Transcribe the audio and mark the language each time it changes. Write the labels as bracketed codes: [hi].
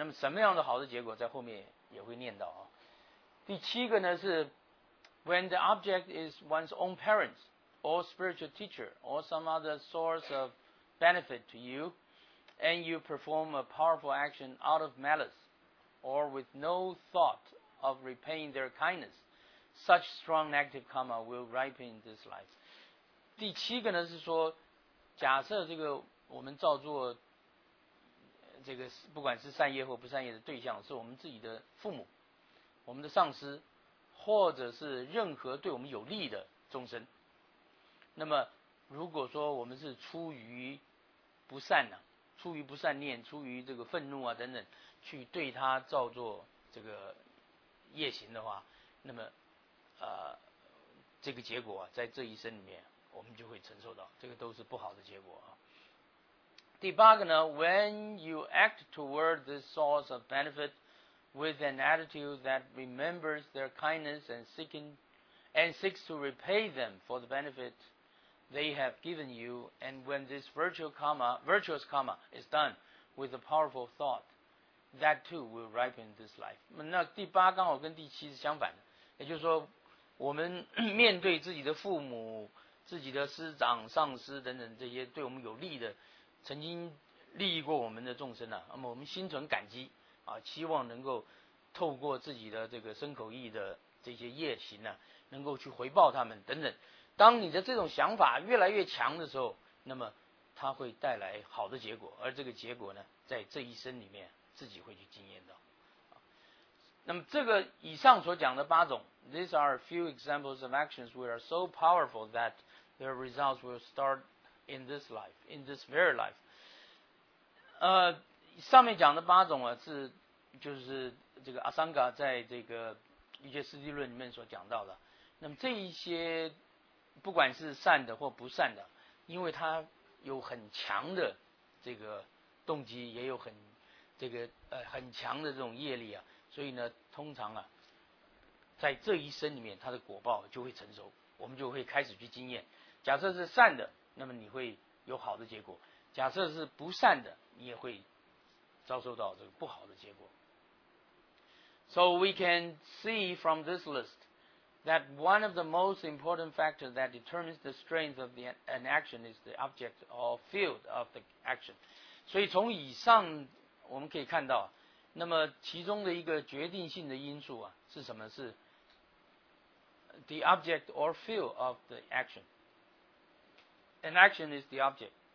[zh] 那么什么样的好的结果在后面也会念到啊。第七个呢是 [en] when the object is one's own parents or spiritual teacher or some other source of benefit to you and you perform a powerful action out of maliceor with no thought of repaying their kindness, such strong negative karma will ripen this life. [zh] 第七个呢是说，假设这个我们造作这个不管是善业或不善业的对象是我们自己的父母、我们的上司，或者是任何对我们有利的众生，那么如果说我们是出于不善呢、啊？出于不善念，出于这个愤怒啊等等，去对他造作这个业行的话，那么这个结果、啊、在这一生里面我们就会承受到，这个都是不好的结果啊。第八个呢 [en] when you act toward this source of benefit with an attitude that remembers their kindness and seeks to repay them for the benefitthey have given you, and when this virtuous karma is done with a powerful thought, that too will ripen this life. [zh] 那第八刚好跟第七是相反的，也就是说我们面对自己的父母、自己的师长、上师等等这些对我们有利的、曾经利益过我们的众生、啊、那么我们心存感激啊，希望能够透过自己的这个身口意的这些业行、啊、能够去回报他们等等，当你的这种想法越来越强的时候，那么它会带来好的结果，而这个结果呢在这一生里面自己会去经验到。那么这个以上所讲的八种 [en] These are a few examples of actions which are so powerful that their results will start in this life, in this very life. [zh] 上面讲的八种啊，是就是这个阿桑嘎在这个瑜伽师地论里面所讲到的。那么这一些不管是善的或不善的，因为他有很强的这个动机，也有很这个很强的这种业力啊，所以呢通常啊在这一生里面他的果报就会成熟，我们就会开始去经验。假设是善的，那么你会有好的结果，假设是不善的，你也会遭受到这个不好的结果。 [en] So we can see from this listthat one of the most important factors that determines the strength of an action is the object or field of the action. [zh] 所以从以上我们可以看到，那么其中的一个决定性的因素啊是什么？是 [en] the object or feel of the action. An action is the object.